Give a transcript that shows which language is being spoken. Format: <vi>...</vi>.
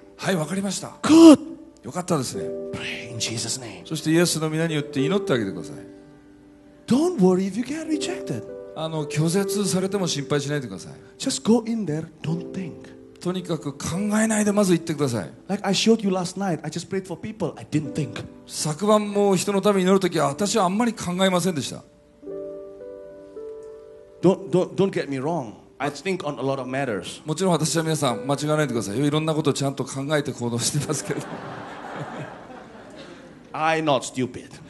<ja>はい、わかりました。</ja> <en>Good.</en> <ja>よかったですね。</ja> <en>Pray in Jesus' name.</en> <ja>そしてイエスの名によって祈ってあげてください。</ja> <en>Don't worry if you get rejected.</en> <ja>拒絶されても心配しないでください。</ja> <en>Just go in there, don't think.</en> <ja>とにかく考えないでまず行ってください。</ja> <en>Like I showed you last night, I just prayed for people, I didn't think.</en> <ja>昨晩も人のために祈るときは私はあんまり考えませんでした。</ja> <en>Don't get me wrong. I think on a lot of matters.</en> <ja>もちろん私は皆さん間違わないでください。いろんなことをちゃんと考えて行動してますけど。</ja> <en>I'm not stupid.</en>